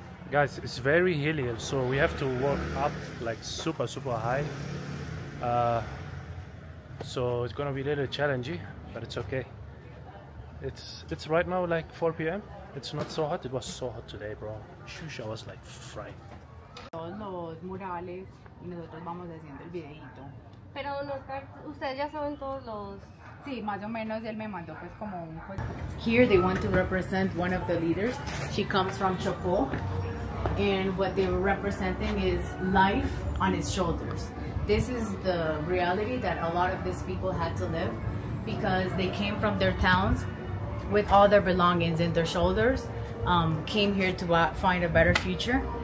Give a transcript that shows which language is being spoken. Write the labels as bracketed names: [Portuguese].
[English] Guys, it's very hilly, so we have to walk up like super, super high. So it's gonna be a little challenging, but it's okay. It's right now like 4 p.m. It's not so hot. It was so hot today, bro. Shush, I was like fried. [Spanish] Los murales y nosotros vamos haciendo el videito. Pero ustedes ya saben todos los. Sí, más o menos él me mandó pues como un. [English] Here they want to represent one of the leaders. She comes from Chocó, and what they're representing is life on its shoulders. This is the reality that a lot of these people had to live, because they came from their towns with all their belongings in their shoulders, came here to find a better future.